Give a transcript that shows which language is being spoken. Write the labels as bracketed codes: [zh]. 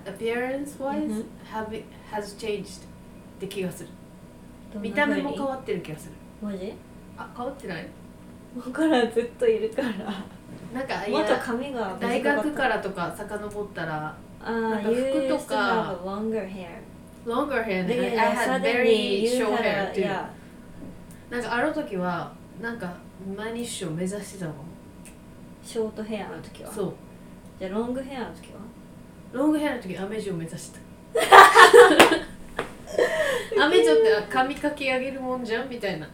[en] appearance wise,、mm-hmm. has changed [ja] って気がする。見た目も変わってる気がする。マジ？あ、変わってない？わからん、ずっといるから。なんか、もっと髪が短かった。大学からとか遡ったら、なんか服とか。 [en] You used to have longer hair. Longer hair, and I had very short hair too. [ja] なんかある時は、なんか、毎日を目指してたのショートヘアの時は。そう。じゃあロングヘアの時は？ロングヘアの時アメジを目指してた。アメジョって髪かき上げるもんじゃんみたいな。